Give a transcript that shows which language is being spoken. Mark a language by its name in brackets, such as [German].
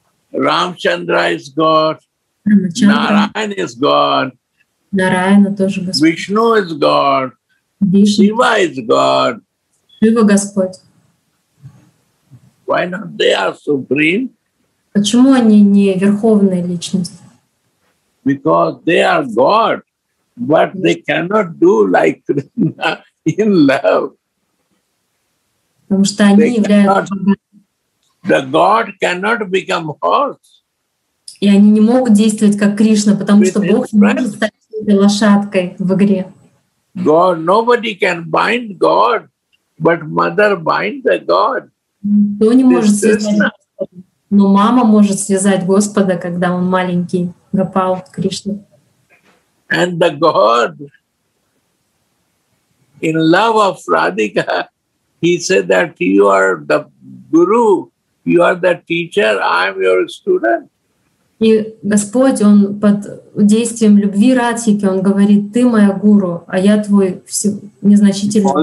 [English] Рамачандра is God. Нараяна is God. [Russian] Нараяна тоже Господь. [English] Вишну is God. Шива is God. [Russian] Шива Господь. [English] Why not they are supreme? [Russian] Почему они не верховная личность? [English] Because they are God, but they cannot do like Krishna in love. [Russian] Потому что они являются. [English] The God cannot become horse. [Russian] И они не могут действовать как Кришна, потому что Бог не может стать лошадкой в игре. [English] God, nobody can bind God, but mother binds the God. [Russian] Кто не может связать, но мама может связать Господа, когда он маленький, Гопал, Кришна. [English] And the God, in love of Radhika, he said that you are the guru. You are the teacher, I am your student. [Russian] И Господь, Он под действием любви Радхики, Он говорит, ты моя гуру, а я твой незначительный